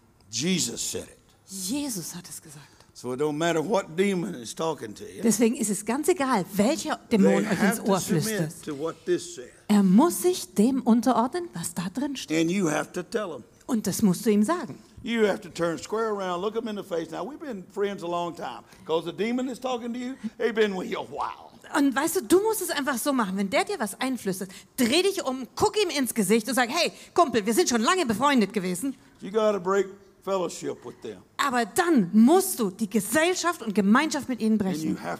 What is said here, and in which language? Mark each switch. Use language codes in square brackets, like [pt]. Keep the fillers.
[en] Jesus, said it. [de] Jesus, hat es gesagt. Deswegen ist es ganz egal, welcher Dämon euch ins have Ohr flüstert. Er muss sich dem unterordnen, was da drin [en] steht. And you have to tell [de] Und das musst du ihm sagen. [en] You have to turn square around, look him in the face. Now we've been friends a long time. Because the demon is talking to you, he's been with you a while [de] und weißt du, du musst es einfach so machen, wenn der dir was einflüstert, dreh dich um, guck ihm ins Gesicht und sag, hey, Kumpel, wir sind schon lange befreundet gewesen. Aber dann musst du die Gesellschaft und Gemeinschaft mit ihnen brechen.